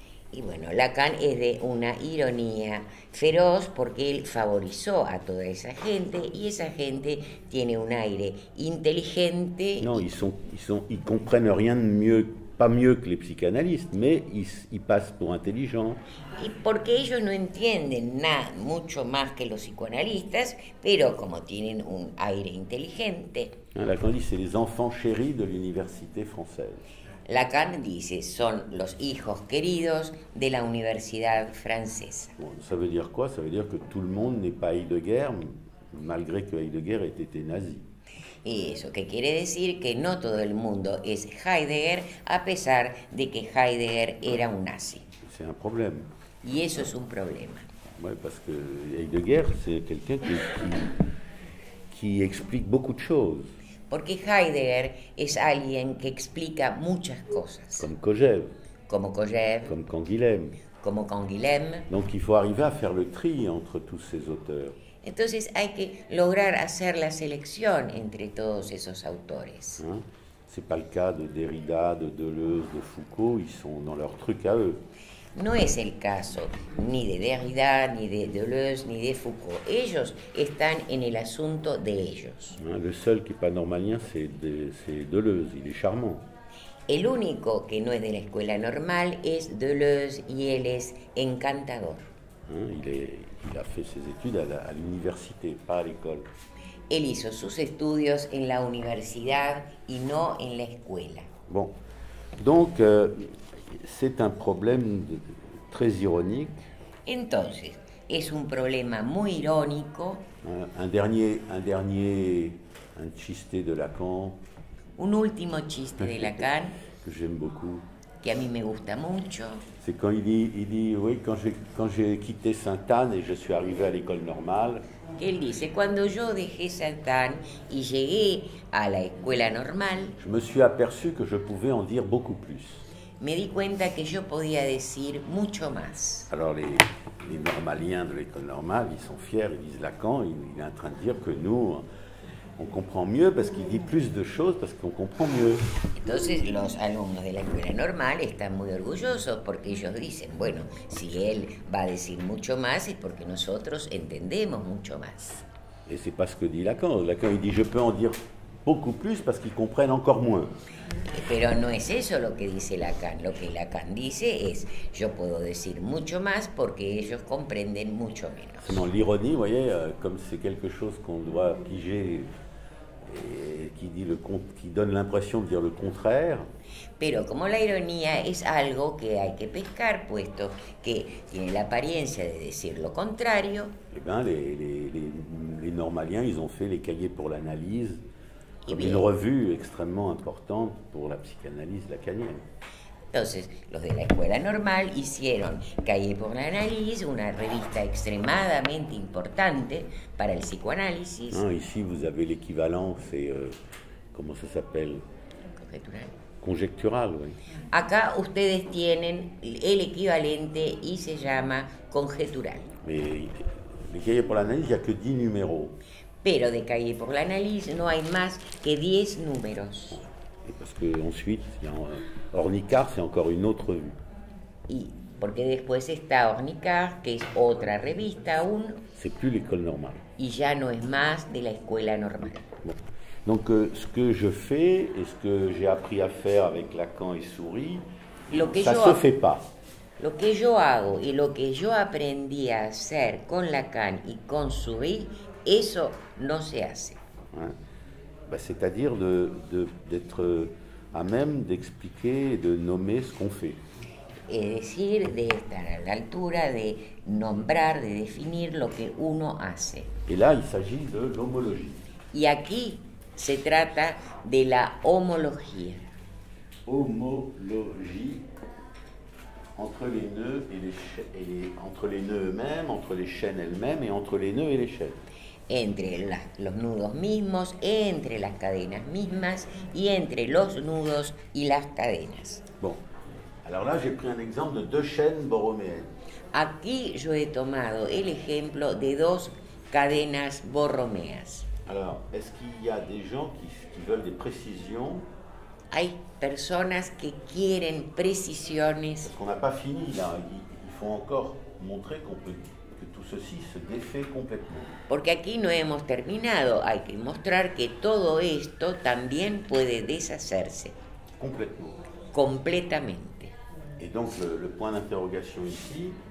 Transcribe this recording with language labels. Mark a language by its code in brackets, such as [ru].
[es] Y bueno, Lacan es de una ironía feroz porque él favorizó a toda esa gente y esa gente tiene un aire inteligente. [fr] No, ils comprennent rien de mieux, pas mieux que les psychanalystes, mais ils passent pour intelligents. [es] Y porque ellos no entienden nada mucho más que los psicoanalistas, pero como tienen un aire inteligente. [fr] Lacan [es] dice, [fr] c'est les enfants chéris de l'université française. [es] Lacan dice, son los hijos queridos de la universidad francesa. Bueno, [fr] ça veut dire quoi? Ça veut dire que tout le monde n'est pas Heidegger, malgré que Heidegger ait été nazi. [es] Y eso que quiere decir que no todo el mundo es Heidegger, a pesar de que Heidegger era un nazi. [fr] C'est un problème. [es] Y eso es un problema. [fr] Ouais, parce que Heidegger, c'est quelqu'un qui explique beaucoup de choses. [es] Porque Heidegger es alguien que explica muchas cosas. [fr] Comme Kojève. [es] Como Kojève. [fr] Comme Canguilhem. [es] Como Canguilhem. [fr] Donc il faut arriver à faire le tri entre tous ces auteurs. [es] Entonces hay que lograr hacer la selección entre todos esos autores. [fr] Hein? C'est pas le cas de Derrida, de Deleuze, de Foucault, ils sont dans leur truc à eux. [es] No es el caso ni de Derrida, ni de Deleuze, ni de Foucault. Ellos están en el asunto de ellos. [fr] Le seul qui n'est pas normalien, c'est Deleuze. Il est charmant. [es] El único que no es de la escuela normal es Deleuze y él es encantador. [fr] Hein, il a fait ses études à l'université, pas à l'école. [es] Él hizo sus estudios en la universidad y no en la escuela. [fr] Bon, donc c'est un problème très ironique. [es] Entonces, es un problema muy irónico. Un chiste de Lacan. Un último chiste de Lacan. [fr] Que j'aime beaucoup. [es] Que a mí me gusta mucho. [fr] C'est quand il dit oui, quand j'ai quitté Sainte-Anne et je suis arrivé à l'école normale. Qu'il dit, quand je [es] dejé Sainte-Anne et llegué à la escuela normal. [fr] Je me suis aperçu que je pouvais en dire beaucoup plus. [es] Me di cuenta que yo podía decir mucho más. [fr] Alors les normaliens de l'école normale, ils sont fiers, ils disent Lacan, il est en train de dire que nous on comprend mieux parce qu'il dit plus de choses parce qu'on comprend mieux. [es] Entonces los alumnos de la escuela normal están muy orgullosos porque ellos dicen, bueno, si él va a decir mucho más es porque nosotros entendemos mucho más. [fr] Et c'est pas ce que dit Lacan. Lacan il dit je peux en dire beaucoup plus parce qu'ils comprennent encore moins. [es] Pero no es eso lo que dice Lacan. Lo que Lacan dice es yo puedo decir mucho más porque ellos comprenden mucho menos. [fr] Sinon, l'ironie, vous voyez, comme c'est quelque chose qu'on doit piger et qui donne l'impression de dire le contraire. [es] Pero como la ironía es algo que hay que pescar, puesto que tiene la apariencia de decir lo contrario. [fr] Eh bien, les normaliens, ils ont fait les cahiers pour l'analyse. Une revue extrêmement importante pour la psychanalyse lacanienne. [es] Entonces, los de la escuela normal hicieron Cahiers pour l'analyse, una revista extremadamente importante para el psicoanálisis. [fr] Non, ici, vous avez l'équivalent, c'est comment ça s'appelle? Conjectural. Conjectural, oui. [es] Acá ustedes tienen el equivalente y se llama conjectural. [fr] Mais Cahiers pour l'analyse, il y a que 10 numéros. [es] Pero de Cahiers pour l'analyse, no hay más que 10 números. [fr] Et parce que ensuite, il y a Ornicard, c'est encore une autre revue. [es] Y porque después está Ornicard, que es otra revista aún. [fr] C'est plus l'école normale. [es] Y ya no es más de la escuela normal. [fr] Bon. Donc ce que je fais et ce que j'ai appris à faire avec Lacan et Souris, ça se fait pas. [es] Lo que yo hago y lo que yo aprendí a hacer con Lacan y con Souris, eso no se hace. [fr] Ouais. Bah, c'est-à-dire d'être à même d'expliquer et de nommer ce qu'on fait. [es] Es decir, de estar a la altura de nombrar, de definir lo que uno hace. [fr] Et là, il s'agit de l'homologie. [es] Y aquí se trata de la homología. [fr] Homologie entre les nœuds entre les nœuds eux-mêmes, entre les chaînes elles-mêmes et entre les nœuds et les chaînes. [es] Entre los nudos mismos, entre las cadenas mismas y entre los nudos y las cadenas. [fr] Bon, alors là j'ai pris un exemple de deux chaînes borroméennes. [es] Aquí yo he tomado el ejemplo de dos cadenas borromeas. [fr] Alors, est-ce qu'il y a des gens qui veulent des précisions? [es] Hay personas que quieren precisiones. [fr] Parce qu'on n'a pas fini là, il faut encore montrer qu'on peut. Que tout ceci se défait complètement. [es] Porque aquí no hemos terminado, hay que mostrar que todo esto también puede deshacerse. [fr] Complètement. [es] Completamente. [fr] Et donc le point d'interrogation ici.